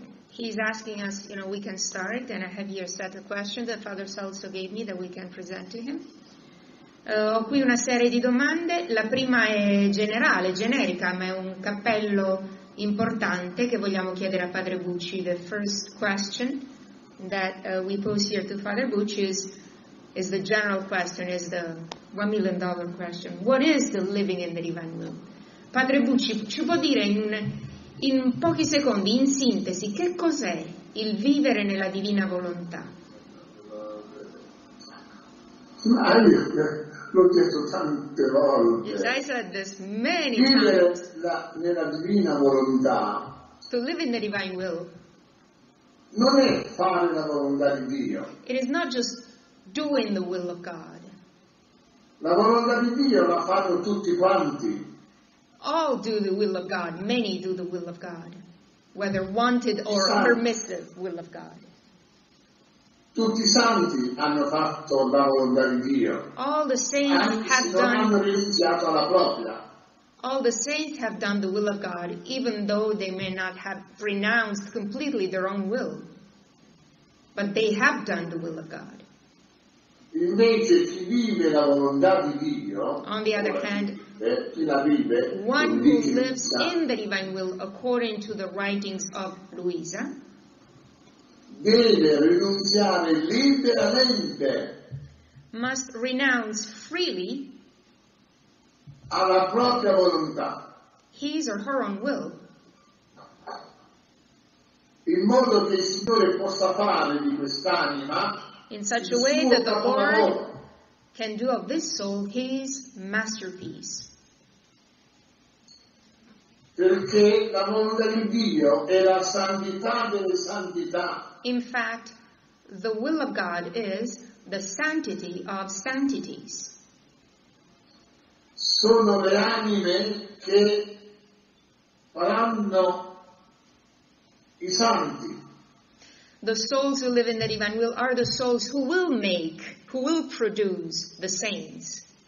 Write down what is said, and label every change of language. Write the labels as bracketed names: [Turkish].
[English] He's asking us, you know, we can start, and I have here a set of questions that Father Salso gave me that we can present to him. [Italian] Ho qui una serie di domande. La prima è generale, generica, ma è un cappello importante che vogliamo chiedere a Padre Bucci. [English] The first question that we pose here to Father Bucci is the general question, is the $1 million question. What is the living in the divine will? [Italian] Padre Bucci, ci può dire in pochi secondi, in sintesi, che cos'è il vivere nella divina volontà? Ma io l'ho detto tante volte. [English] Yes, I said this many times. [Italian] Vivere nella divina volontà. [English] To live in the divine will. [Italian] Non è fare la volontà di Dio. [English] It is not just doing the will of God. [Italian] La volontà di Dio la fanno tutti quanti. [English] All do the will of God. Many do the will of God. Whether wanted or permissive will of God. [Italian] Tutti i santi hanno fatto la volontà di Dio. [English] All the saints have done. [Italian] Anche se non hanno rinunciato alla propria. [English] All the saints have done the will of God, even though they may not have renounced completely their own will. But they have done the will of God. [Italian] Invece chi vive la volontà di Dio, [English] on the other hand, [Italian] chi la vive, [English] one who lives in the divine will according to the writings of Luisa, [Italian] Deve rinunciare liberamente. [English] Must renounce freely. [Italian] Alla propria volontà. [English] His or her own will. [Italian] In modo che il Signore possa fare di quest'anima. [English] In such a way that the Lord can do of this soul his masterpiece. [Italian] Perché la volontà di Dio è la santità delle santità. [English] In fact, the will of God is the sanctity of sanctities. [Italian] Sono le anime che faranno i santi. [English] The souls who live in the divine will are the souls who will make, who will produce the saints.